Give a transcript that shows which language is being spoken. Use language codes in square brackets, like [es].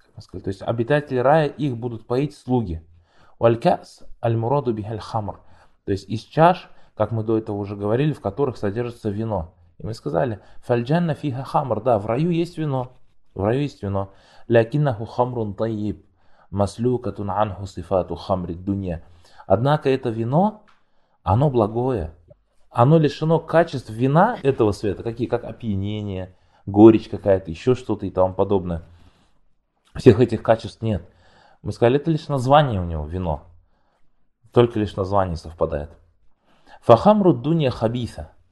[ru] То есть обитатели рая их будут поить слуги. [ar] Валькас альмуроду бихаль хамр. [ru] То есть из чаш, как мы до этого уже говорили, в которых содержится вино. И мы сказали, [ar] фаль джанна фиха хамр. [ru] Да, в раю есть вино. В раю есть вино. [ar] Лякиннаху хамрун тайиб. مسلوكة عنه صفات خمر الدنيا. [ru] Однако это вино, оно благое. Оно лишено качеств вина этого света, какие, как опьянение, горечь какая-то, еще что-то и тому подобное. Всех этих качеств нет. Мы сказали, это лишь название у него, вино. Только лишь название совпадает. [ar] Фахамру дунья хабиса.